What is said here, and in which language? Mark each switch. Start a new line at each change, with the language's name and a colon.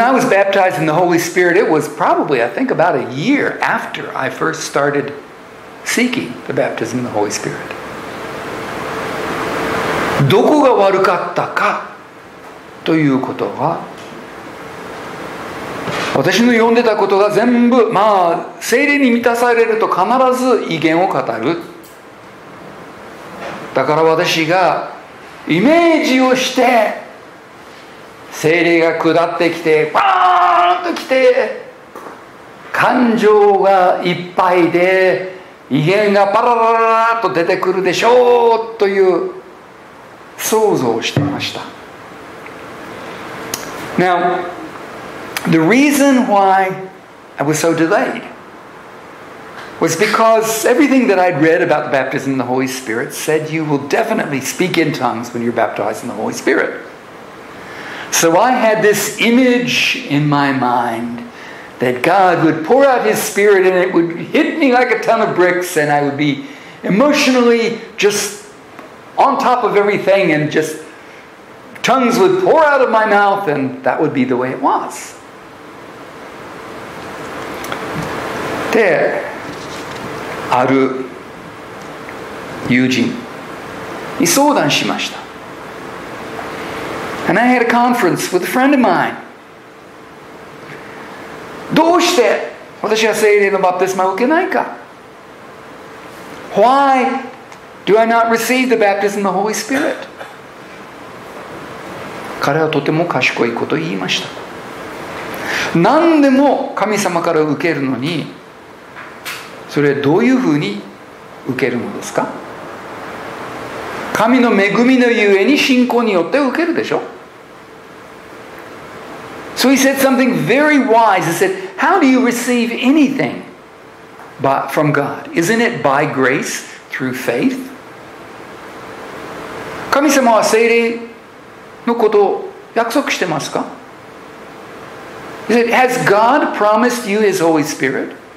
English: I was baptized in the Holy Spirit, it was probably, I think, about a year after I first started seeking the baptism in the Holy Spirit.
Japanese: どこが悪かったか? ということは私の読んでたことが全部まあ聖霊に満たされると必ず異言を語る。だから私がイメージをして聖霊が下ってきてバーンと来て感情がいっぱいで異言がパラララララと出てくるでしょうという想像をしてました。
English: Now, the reason why I was so delayed was because everything that I'd read about the baptism in the Holy Spirit said you will definitely speak in tongues when you're baptized in the Holy Spirit. So I had this image in my mind that God would pour out His Spirit and it would hit me like a ton of bricks and I would be emotionally just on top of everything and just... Tongues would pour out of my mouth, and that would be the way it was.
Japanese: で、ある友人に相談しました。
English: And I had a conference with a friend of mine.
Japanese: どうして私は聖霊のバプテスマを受けないか?
English: Why do I not receive the baptism of the Holy Spirit?
Japanese: 彼はとても賢いことを言いました。何でも神様から受けるのに、それはどういうふうに受けるのですか？神の恵みのゆえに信仰によって受けるでしょ。
English: So he said something very wise. He said, how do you receive anything but from God? Isn't it by grace through faith?
Japanese: 神様は聖霊のことを約束してますか?
English: He said, has God promised you His Holy Spirit?